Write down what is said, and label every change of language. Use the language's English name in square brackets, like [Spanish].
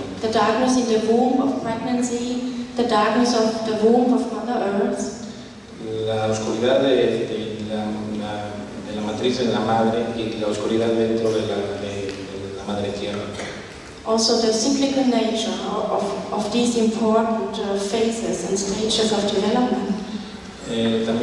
[English] The darkness in the womb of pregnancy, the darkness of the womb of Mother Earth. [Spanish] La oscuridad de la matriz de la madre y la oscuridad dentro de la madre tierra. [English] Also the cyclical nature of these important phases and stages of development.